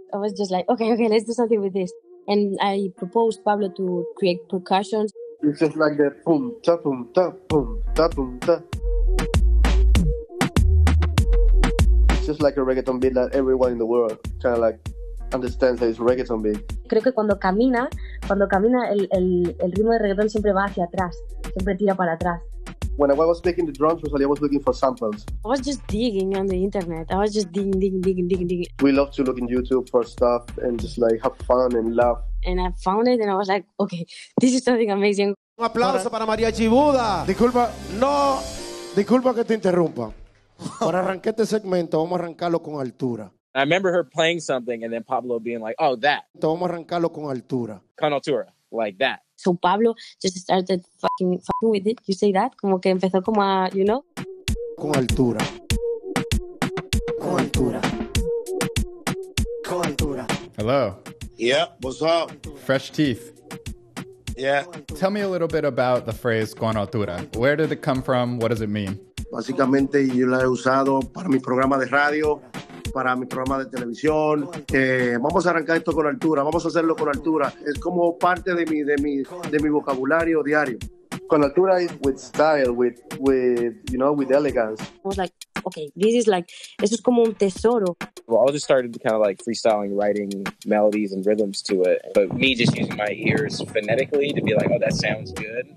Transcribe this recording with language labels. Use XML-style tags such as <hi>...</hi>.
<en>I was just like, okay, let's do something with this. And I proposed Pablo to create percussions. It's just like the boom, ta boom, ta boom, ta boom, ta. Just like a reggaeton beat that everyone in the world kind of like understands that it's reggaeton beat.</en> <es>Creo que cuando camina el ritmo de reggaeton siempre va hacia atrás, siempre tira para atrás.</es> <en>When I was making the drums, Rosalía was looking for samples. I was just digging on the internet. I was just digging. We love to look in YouTube for stuff and just like have fun and laugh. And I found it and I was like, okay, this is something amazing.</en> <es>Un aplauso para María Chibuda. Disculpa, no, disculpa que te interrumpa. Para arrancar este segmento, vamos a arrancarlo con altura.</es> <en>I remember her playing something and then Pablo being like, oh, that.</en> <es>Entonces vamos a arrancarlo con altura. Con altura,</es> <en>like that. So Pablo just started fucking with it, you say that?</en> <es>Como que empezó como a,</es> <en>you know?</en> <es>Con altura. Con altura. Con altura.</es> <en>Hello. Yeah, what's up? Fresh teeth. Yeah. Tell me a little bit about the phrase con altura. Where did it come from? What does it mean?</en> <es>Básicamente yo la he usado para mi programa de radio, para mi programa de televisión. Vamos a arrancar esto con altura, vamos a hacerlo con altura. Es como parte de mi vocabulario diario.</es> <en>Con altura is with style, with you know, with elegance. I was like, okay, this is like,</en> <es>esto es como un tesoro.</es> <en>Well, I just started kind of like freestyling, writing melodies and rhythms to it. But me just using my ears phonetically to be like, oh, that sounds good.</en>